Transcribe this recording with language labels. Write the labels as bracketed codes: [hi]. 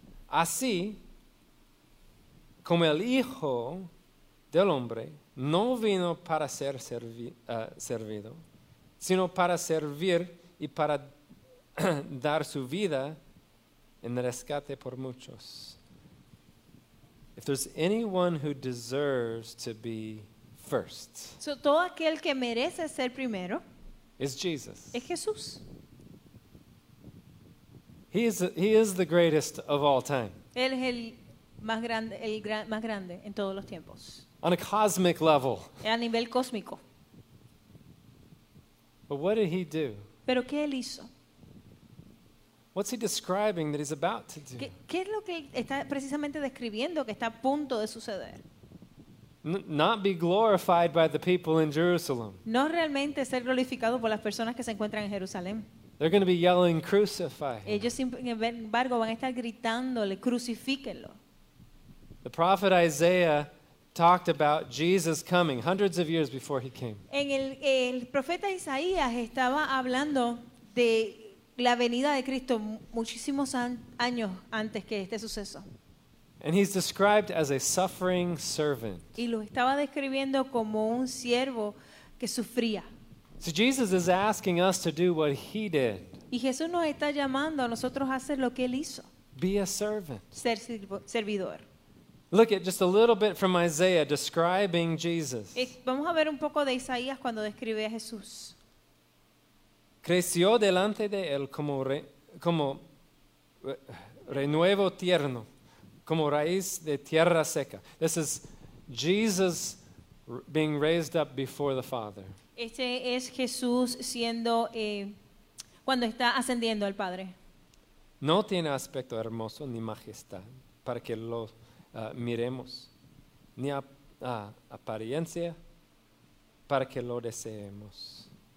[es] Así como el Hijo del Hombre no vino para ser servido, sino para servir y para dar su vida en rescate por muchos. [en] If there's anyone who deserves to be first. [es] So todo aquel que merece ser primero. [en] Is Jesus. [es] Es Jesús. [en] He is the greatest of all time. [es] Él es el más grande en todos los tiempos. [en] On a cosmic level. [es] A nivel cósmico. [en] But what did he do? [es] ¿Pero qué él hizo? [en] What's he describing that he's about to do? [es] ¿Qué es lo que está precisamente describiendo que está a punto de suceder? [en] Not be glorified by the people in Jerusalem. [es] No realmente ser glorificado por las personas que se encuentran en Jerusalén. [en] They're going to be yelling, "Crucify him." [es] Ellos sin embargo van a estar gritándole, "Crucifíquenlo." [en] The prophet Isaiah talked about Jesus coming hundreds of years before he came. [es] En el profeta Isaías estaba hablando de la venida de Cristo muchísimos años antes que este suceso. [en] And he's described as a suffering servant. [es] Y lo estaba describiendo como un siervo que sufría. [en] So Jesus is asking us to do what he did. [es] Y Jesús nos está llamando a nosotros a hacer lo que él hizo. [en] Be a servant. [es] Ser servidor. [en] Look at just a little bit from Isaiah describing Jesus. [es] Vamos a ver un poco de Isaías cuando describe a Jesús. Creció delante de él como renuevo tierno. Como raíz de tierra seca. [en] This is Jesus being raised up before the Father. [es] Este es Jesús siendo cuando está ascendiendo al Padre. No tiene aspecto hermoso ni majestad para que lo miremos, ni apariencia para que lo deseemos.